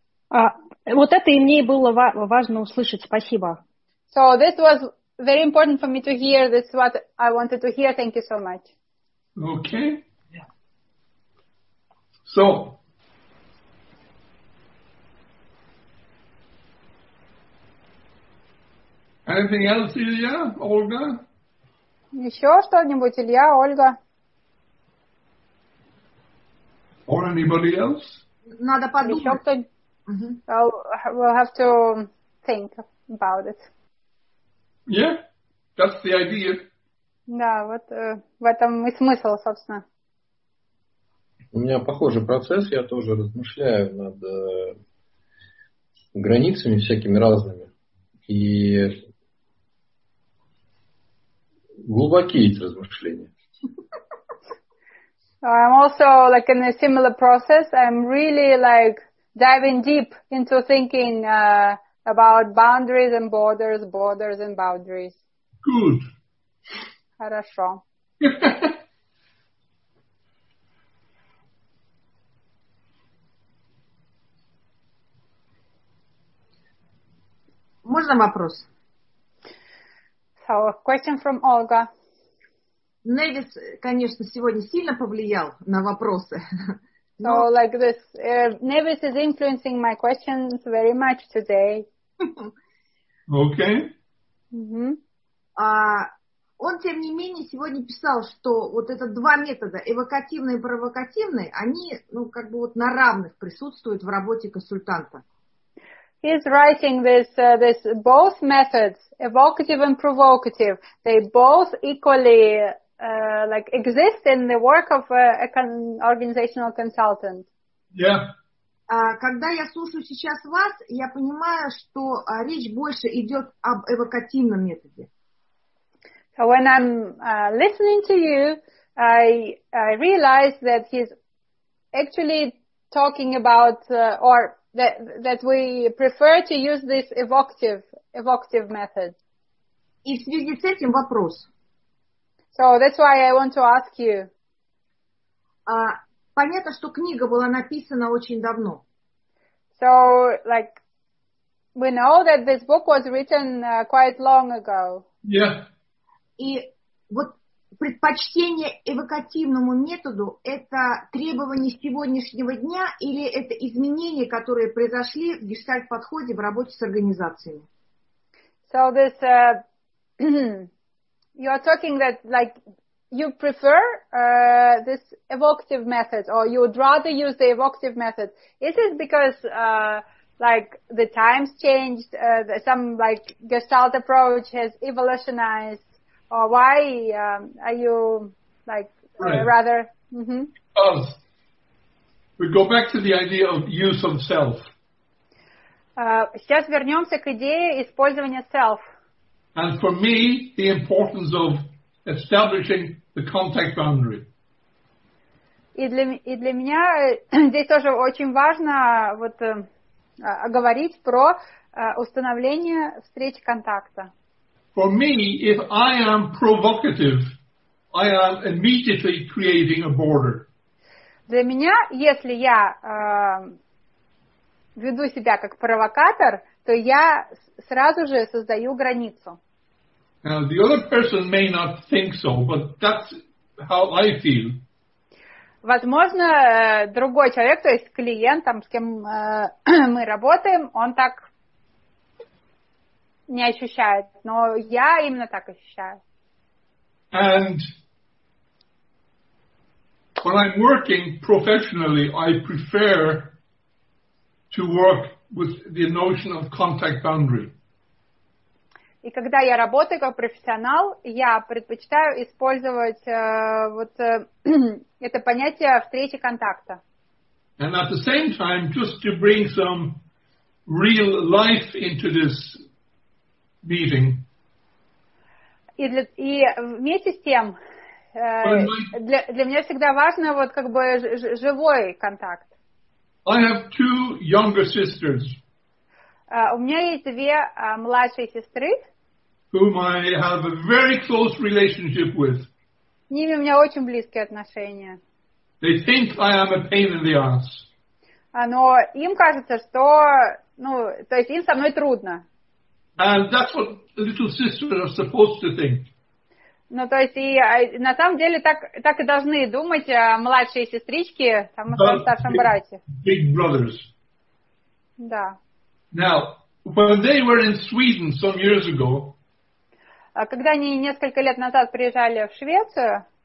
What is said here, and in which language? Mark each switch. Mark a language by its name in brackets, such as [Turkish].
[Russian] Вот это и мне было важно услышать. Спасибо. [English] So this was very important for me to hear. This is what I wanted to hear. Thank you so much. Okay. Yeah. So. Anything else, Илья, Ольга? [Russian] Еще что-нибудь, Илья, Ольга? [English] Or anybody else? [Russian] Надо подумать. [English] We'll have to think about it. Yeah. That's the idea. [Russian] Да, вот в этом и смысл, собственно. У меня похожий процесс, я тоже размышляю над границами всякими разными. И глубокие эти размышления. [English] I'm also like in a similar process. I'm really like diving deep into thinking about boundaries and borders, borders and boundaries. Good. [Russian] Хорошо. Можно вопрос? [English] So, question from Olga. [Russian] Невис, конечно, сегодня сильно повлиял на вопросы. [English] So, like this, Невис is influencing my questions very much today. Okay. [Russian] Он, тем не менее, сегодня писал, что вот это два метода, эвокативный и провокативный, они, ну, как бы вот на равных присутствуют в работе консультанта. [English] He's writing this, this both methods, evocative and provocative, they both equally, like, exist in the work of organizational consultant. Yeah. [Russian] Когда я слушаю сейчас вас, я понимаю, что речь больше идет об эвокативном методе. [English] So when I'm listening to you, I realize that he's actually talking about, or that we prefer to use this evocative method. [Russian] И в связи с этим вопрос. [English] So that's why I want to ask you. [Russian] Понятно, что книга была написана очень давно. [English] So, like, we know that this book was written quite long ago. Yeah. [Russian] И вот предпочтение эвокативному методу – это требование сегодняшнего дня или это изменения, которые произошли в гештальт-подходе в работе с организациями? [English] So this, you are talking that, like, you prefer this evocative method, or you would rather use the evocative method. Is it because, like, the times changed, some, like, gestalt approach has evolutionized? Or why are you, like, right. rather... Because we go back to the idea of use of self. [Russian] Сейчас вернемся к идее использования self. [English] And for me, the importance of establishing the contact boundary. [Russian] И для меня здесь тоже очень важно вот говорить про установление встречи контакта. [English] For me, if I am provocative, I am immediately creating a border. [Russian] Для меня, если я веду себя как провокатор, то я сразу же создаю границу. [English] Now, the other person may not think so, but that's how I feel. [Russian] Возможно, другой человек, то есть клиент, там, с кем мы работаем, он так не ощущает, но я именно так ощущаю. [English] And when I'm working professionally, I prefer to work with the notion of contact boundary. [Russian] И когда я работаю как профессионал, я предпочитаю использовать вот это понятие встречи контакта. [English] And at the same time, just to bring some real life into this meeting. [Russian] И вместе с тем, для меня всегда важно вот как бы живой контакт. [English] I have two younger sisters. [Russian] У меня есть две младшие сестры. [English] Whom I have a very close relationship with. [Russian] С ними у меня очень близкие отношения. [English] They think I am a pain in the ass. [Russian] Но им кажется, что, ну, то есть им со мной трудно. [English] And that's what little sisters are supposed to think. [Russian] Ну, то есть, и на самом деле так и должны думать младшие сестрички, там, и старшем брате. [English] Big brothers. [Russian] Да. [English] Now, when they were in Sweden some years ago, [Russian] когда они несколько лет назад приезжали в Швецию,